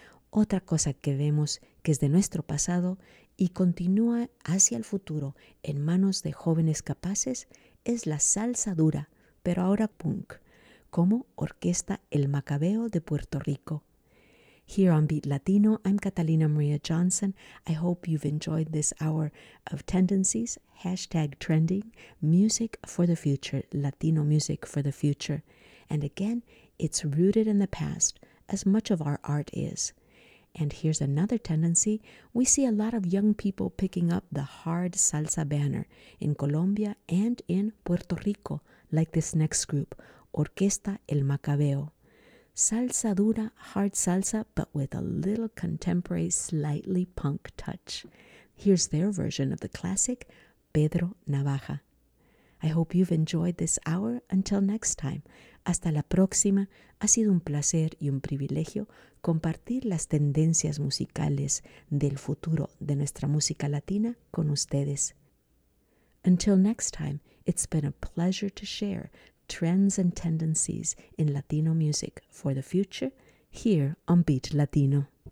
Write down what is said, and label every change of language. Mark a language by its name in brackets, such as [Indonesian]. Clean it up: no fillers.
[Spanish] Otra cosa que vemos que es de nuestro pasado y continúa hacia el futuro en manos de jóvenes capaces es la salsa dura, pero ahora punk, como orquesta El Macabeo de Puerto Rico. [English] Here on Beat Latino, I'm Catalina Maria Johnson. I hope you've enjoyed this hour of tendencies, hashtag trending, music for the future, Latino music for the future. And again, it's rooted in the past, as much of our art is. And here's another tendency. We see a lot of young people picking up the hard salsa banner in Colombia and in Puerto Rico, like this next group, Orquesta El Macabeo. Salsa dura, hard salsa, but with a little contemporary, slightly punk touch. Here's their version of the classic, Pedro Navaja. I hope you've enjoyed this hour. Until next time. [Spanish] Hasta la próxima. Ha sido un placer y un privilegio compartir las tendencias musicales del futuro de nuestra música latina con ustedes. [English] Until next time, it's been a pleasure to share trends and tendencies in Latino music for the future here on Beat Latino.